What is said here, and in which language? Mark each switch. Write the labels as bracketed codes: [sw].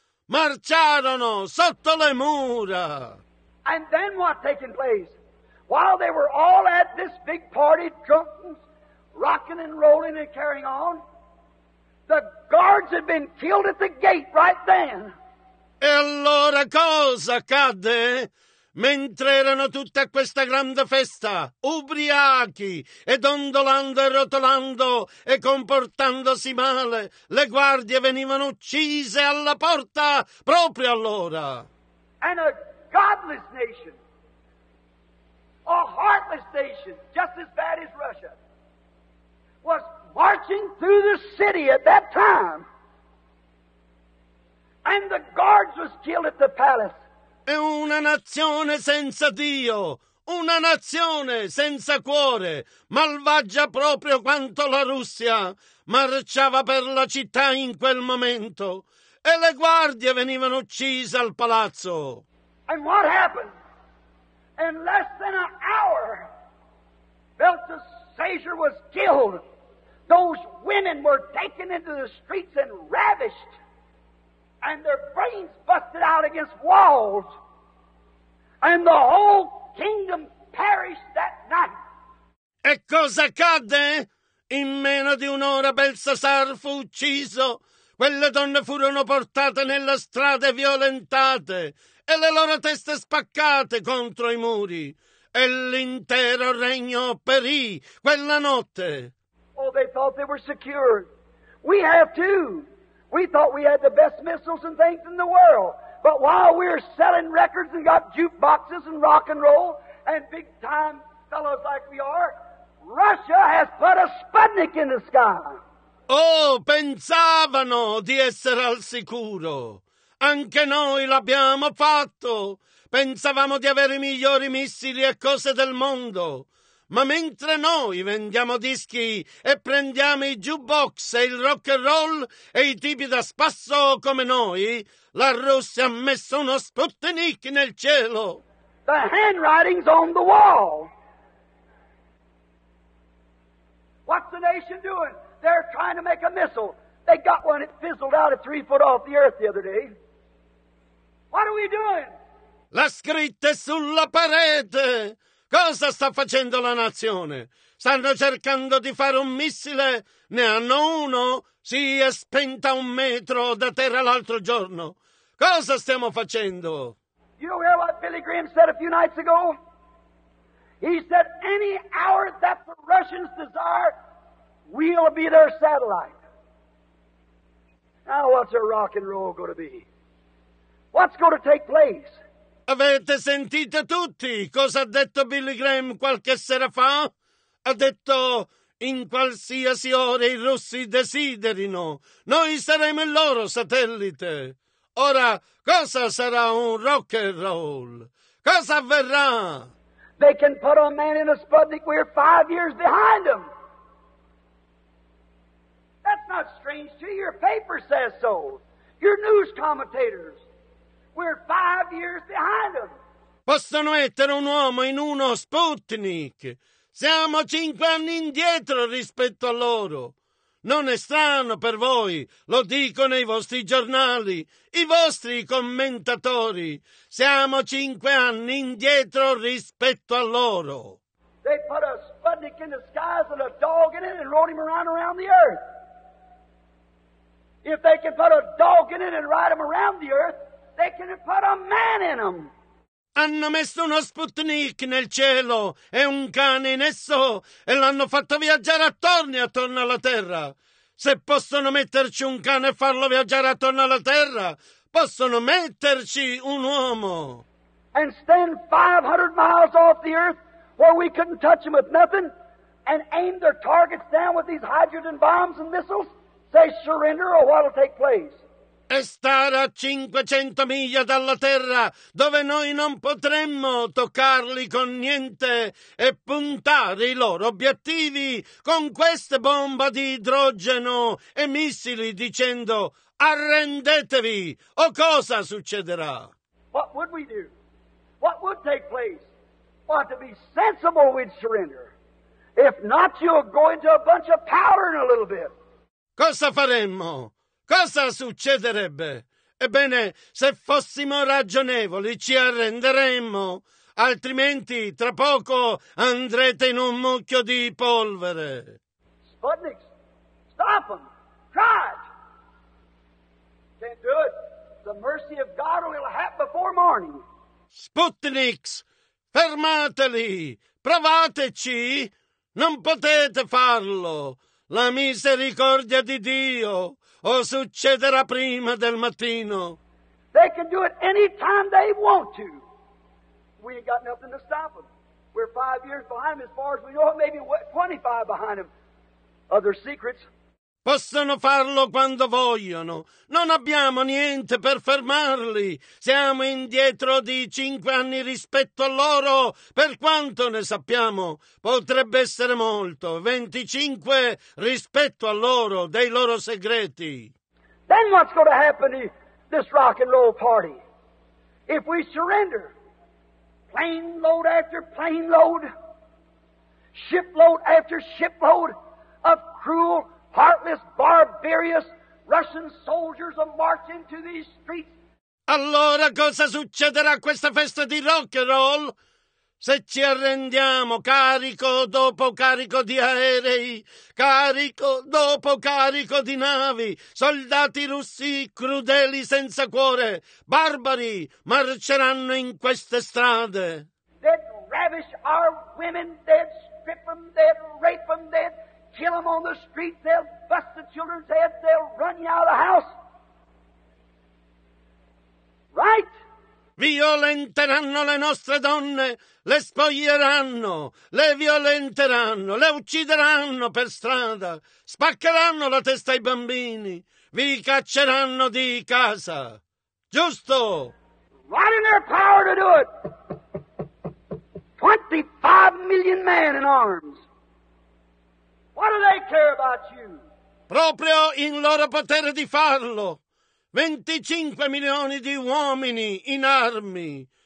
[it] Marciarono sotto le mura! [en] And then what taken place? While they were all at this big party drunk, rocking and rolling and carrying on, the guards had been killed at the gate right then. [it] E allora cosa accadde? Mentre erano tutti a questa grande festa, ubriachi, e dondolando e rotolando e comportandosi male, le guardie venivano uccise alla porta proprio allora. [en] And a godless nation, a heartless nation, just as bad as Russia, was marching through the city at that time. And the guards was killed at the palace. [it] E una nazione senza Dio, una nazione senza cuore, malvagia proprio quanto la Russia, marciava per la città in quel momento. E le guardie venivano uccise al palazzo. [en] And what happened? In less than an hour, Belshazzar was killed. Those women were taken into the streets and ravished, and their brains busted out against walls, and the whole kingdom perished that night. [it] E cosa accadde? In meno di un'ora Belshazzar fu ucciso. Quelle donne furono portate nella strada e violentate, e le loro teste spaccate contro i muri, e l'intero regno perì quella notte. [en] Oh, they thought they were secure. We have too. We thought we had the best missiles and things in the world. But while we're selling records and got jukeboxes and rock and roll and big time fellows like we are, Russia has put a Sputnik in the sky. [it] Oh, pensavano di essere al sicuro. Anche noi l'abbiamo fatto. Pensavamo di avere i migliori missili e cose del mondo. Ma mentre noi vendiamo dischi e prendiamo i jukebox e il rock and roll e i tipi da spasso come noi, la Russia ha messo uno Sputnik nel cielo. [en] The handwriting's on the wall. What's the nation doing? They're trying to make a missile. They got one, it fizzled out at 3 feet off the earth the other day. What are we doing? [it] La scritta è sulla parete. Cosa sta facendo la nazione? Stanno cercando di fare un missile? Ne hanno uno? Sì, è spenta un metro da terra l'altro giorno. Cosa stiamo facendo? [en] You hear what Billy Graham said a few nights ago? He said, any hour that the Russians desire, we'll be their satellite. Now what's a rock and roll going to be? What's going to take place? [it] Avete sentito tutti cosa ha detto Billy Graham qualche sera fa? Ha detto, in qualsiasi ora i russi desiderino, noi saremo il loro satellite. Ora, cosa sarà un rock and roll? Cosa avverrà? [en] They can put a man in a Sputnik, we're 5 years behind them. That's not strange to you. Your paper says so. Your news commentators. We're 5 years behind them. [it] Possono mettere un uomo in uno Sputnik. Siamo 5 anni indietro rispetto a loro. Non è strano per voi, lo dico nei vostri giornali, i vostri commentatori. Siamo 5 anni indietro rispetto a loro. [en] They put a Sputnik in the skies and a dog in it and rode him around the earth. If they can put a dog in it and ride him around the earth, they can put a man in them. [it] Hanno messo uno Sputnik nel cielo e un cane in esso e l'hanno fatto viaggiare attorno alla terra. Se possono metterci un cane e farlo viaggiare attorno alla terra, possono metterci un uomo. [en] And stand 500 miles off the earth where we couldn't touch them with nothing and aim their targets down with these hydrogen bombs and missiles, say surrender or what'll take place? [it] e stare a 500 miglia dalla terra, dove noi non potremmo toccarli con niente e puntare i loro obiettivi con queste bombe di idrogeno e missili, dicendo: arrendetevi o cosa succederà? [en] What would we do? What would take place? Well, to be sensible, we'd surrender. If not, you'll go into a bunch of powder in a little bit. [it] Cosa faremmo? Cosa succederebbe? Ebbene, se fossimo ragionevoli, ci arrenderemmo. Altrimenti, tra poco, andrete in un mucchio di polvere. [en] Sputniks, stop them. Try it. Can't do it. The mercy of God will happen before morning. [it] Sputniks, fermateli. Provateci. Non potete farlo. La misericordia di Dio o succederà prima del mattino. [en] They can do it any time they want to. We ain't got nothing to stop them. We're 5 years behind them as far as we know, maybe 25 behind them. Other secrets. [it] Possono farlo quando vogliono. Non abbiamo niente per fermarli. Siamo indietro di 5 anni rispetto a loro, per quanto ne sappiamo. Potrebbe essere molto. 25 rispetto a loro, dei loro segreti. [en] Then what's going to happen to this rock and roll party? If we surrender, plane load after plane load, ship load after ship load of cruel, heartless, barbarous Russian soldiers are marching to these streets. [it] Allora cosa succederà a questa festa di rock and roll? Se ci arrendiamo, carico dopo carico di aerei, carico dopo carico di navi, soldati russi crudeli senza cuore, barbari, marceranno in queste strade. [en] They'd ravish our women, they'd strip them, they'd rape them, they'd kill them on the street, they'll bust the children's heads, they'll run you out of the house. Right? [it] Violenteranno le nostre donne, le spoglieranno, le violenteranno, le uccideranno per strada, spaccheranno la testa ai bambini, vi cacceranno di casa. Giusto? [en] Right in their power to do it. 25 million men in arms. What do they care about you? [it] Proprio in loro potere di farlo. 25 milioni di uomini in armi.